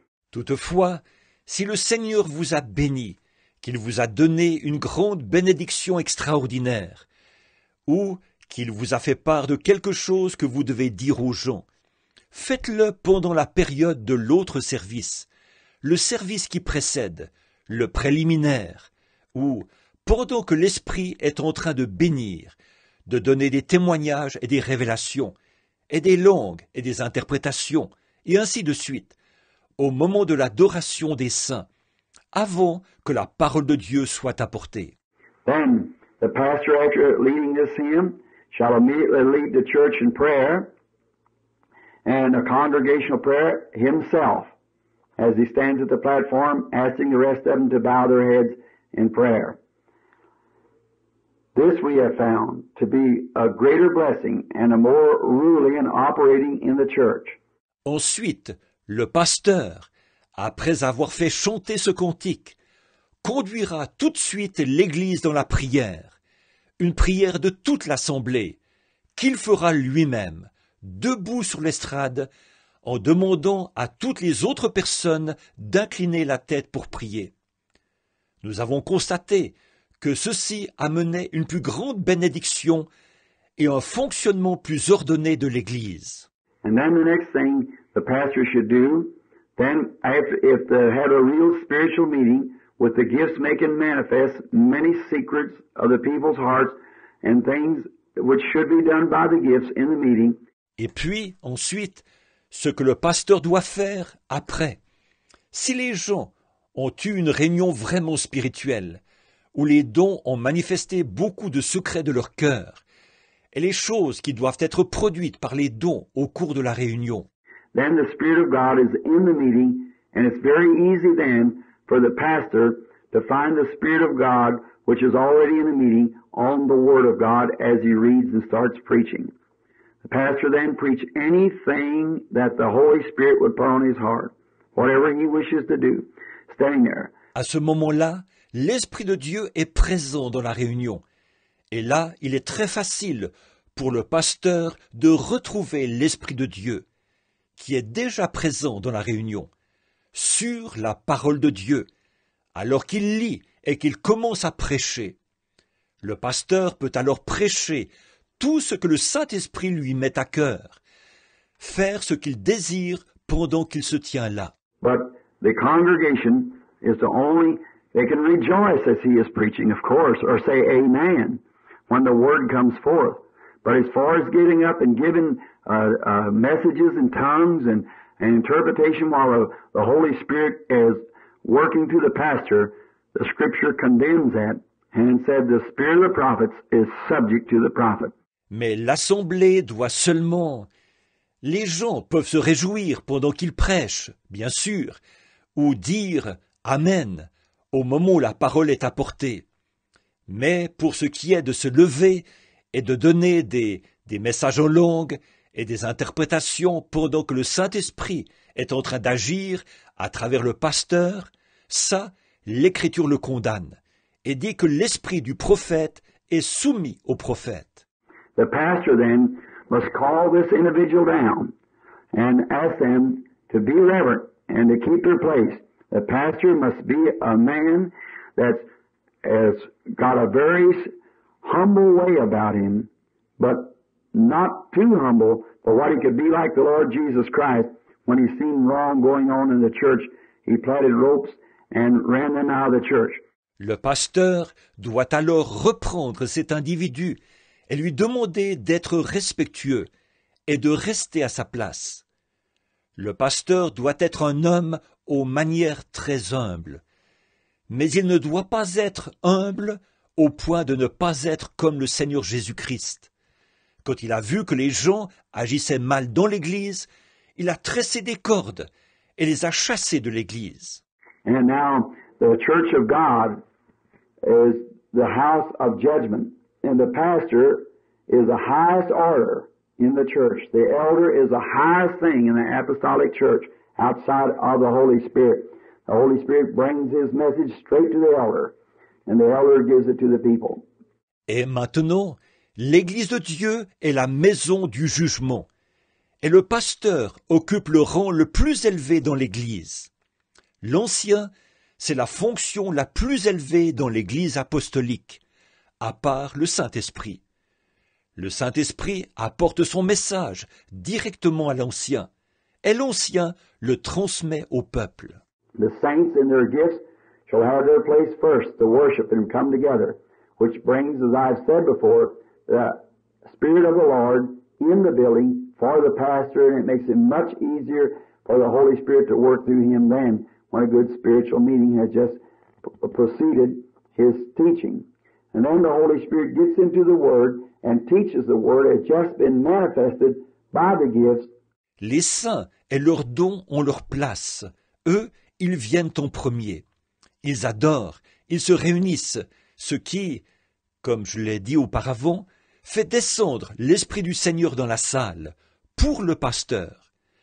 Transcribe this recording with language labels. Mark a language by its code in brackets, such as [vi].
[fr] Toutefois, si le Seigneur vous a béni, qu'il vous a donné une grande bénédiction extraordinaire, ou qu'il vous a fait part de quelque chose que vous devez dire aux gens, faites-le pendant la période de l'autre service. Le service qui précède, le préliminaire, ou pendant que l'Esprit est en train de bénir, de donner des témoignages et des révélations, et des langues et des interprétations, et ainsi de suite, au moment de l'adoration des saints, avant que la parole de Dieu soit apportée. [en] Then, the pastor, after leading this hymn, shall immediately lead the church in prayer, and a congregational prayer himself. As he stands at the platform, asking the rest of them to bow their heads in prayer. This we have found to be a greater blessing and a more ruling and operating in the church. [fr] Ensuite, le pasteur, après avoir fait chanter ce cantique, conduira tout de suite l'église dans la prière, une prière de toute l'assemblée, qu'il fera lui-même, debout sur l'estrade, en demandant à toutes les autres personnes d'incliner la tête pour prier. Nous avons constaté que ceci amenait une plus grande bénédiction et un fonctionnement plus ordonné de l'Église. [en] And then the next thing the pastor should do, then if they had a real spiritual meeting with the gifts making manifest many secrets of the people's hearts and things which should be done by the gifts in the meeting. [fr] Et puis, ensuite, ce que le pasteur doit faire après. Si les gens ont eu une réunion vraiment spirituelle, où les dons ont manifesté beaucoup de secrets de leur cœur, et les choses qui doivent être produites par les dons au cours de la réunion, [en] then the Spirit of God is in the meeting And it's very easy then for the pastor to find the Spirit of God, which is already in the meeting, on the Word of God as he reads and starts preaching. The pastor then preaches anything that the Holy Spirit would put on his heart, whatever he wishes to do, standing there. [fr] À ce moment-là, l'Esprit de Dieu est présent dans la réunion. Et là, il est très facile pour le pasteur de retrouver l'Esprit de Dieu, qui est déjà présent dans la réunion, sur la parole de Dieu, alors qu'il lit et qu'il commence à prêcher. Le pasteur peut alors prêcher tout ce que le Saint-Esprit lui met à cœur, faire ce qu'il désire pendant qu'il se tient là. [en] But the congregation is the only, they can rejoice as he is preaching, of course, or say amen when the word comes forth. But as far as getting up and giving messages and tongues and interpretation while the Holy Spirit is working through the pastor, the Scripture condemns that and said the spirit of the prophets is subject to the prophet. [fr] Mais l'assemblée doit seulement... Les gens peuvent se réjouir pendant qu'ils prêchent, bien sûr, ou dire « Amen » au moment où la parole est apportée. Mais pour ce qui est de se lever et de donner des messages en langue et des interprétations pendant que le Saint-Esprit est en train d'agir à travers le pasteur, ça, l'Écriture le condamne et dit que l'esprit du prophète est soumis au prophète. [en] The pastor then must call this individual down and ask them to be reverent and to keep their place. The pastor must be a man that has got a very humble way about him, but not too humble for what he could be like the Lord Jesus Christ when he seen wrong going on in the church. He plaited ropes and ran them out of the church. [fr] Le pasteur doit alors reprendre cet individu et lui demander d'être respectueux et de rester à sa place. Le pasteur doit être un homme aux manières très humbles, mais il ne doit pas être humble au point de ne pas être comme le Seigneur Jésus-Christ. Quand il a vu que les gens agissaient mal dans l'Église, il a tressé des cordes et les a chassés de l'Église. [en] And now the Church of God is the house of judgment. And the pastor is the highest order in the church. The elder is the highest thing in the apostolic church outside of the Holy Spirit. The Holy Spirit brings his message straight to the elder, and the elder gives it to the people. [fr] Et maintenant, l'Église de Dieu est la maison du jugement. Et le pasteur occupe le rang le plus élevé dans l'Église. L'ancien, c'est la fonction la plus élevée dans l'Église apostolique. À part le Saint-Esprit. Le Saint-Esprit apporte son message directement à l'ancien, et l'ancien le transmet au peuple. [en] The saints and their gifts shall have their place first to worship and come together, which brings, as I've said before, the Spirit of the Lord in the building for the pastor, and it makes it much easier for the Holy Spirit to work through him then when a good spiritual meeting has just preceded his teaching. And then the Holy Spirit gets into the Word and teaches the Word has just been manifested by the gifts. [fr] Les saints et leurs dons ont leur place. Eux, ils viennent en premier. Ils adorent, ils se réunissent, ce qui, comme je l'ai dit auparavant, fait descendre l'Esprit du Seigneur dans la salle, pour le pasteur.